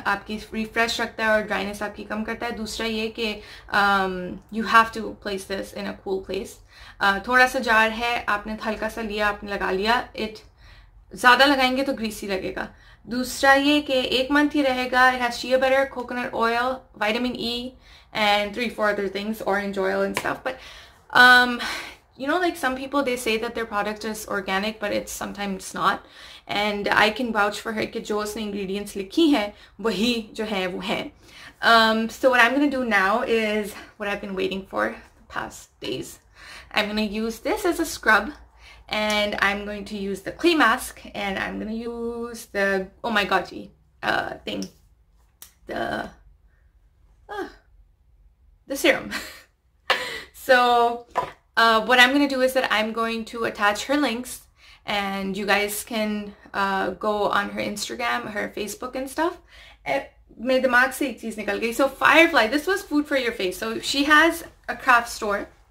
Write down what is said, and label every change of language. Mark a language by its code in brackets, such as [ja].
[hi] आपकी रिफ्रेश रखता है और ड्राइनेस आपकी कम करता है. दूसरा ये कि [en] You have to place this in a cool place. [hi] थोड़ा सा जार है, आपने हल्का सा लिया, आपने लगा लिया, इट ज़्यादा लगाएंगे तो ग्रीसी लगेगा. दूसरा ये कि एक मंथ ही रहेगा. [en] It has shea butter, coconut oil, vitamin E, and 3-4 other things, orange oil and stuff. But you know, like some people, they say that their product is organic, but it's sometimes not. And I can vouch for her [hi] कि जो उसने ingredients लिखी हैं वही जो है वो है. [en] So what I am gonna do now is what I been waiting for past days. I am gonna use this as a scrub and I am going to use the clay mask and I am gonna use the oh my goji thing the serum. So, what I'm going to do is that I'm going to attach her links and you guys can go on her Instagram, her Facebook and stuff. [hi] Mere dimag se ek cheez nikal gayi. [en] So, Firefly, this was food for your face. So, she has a craft store.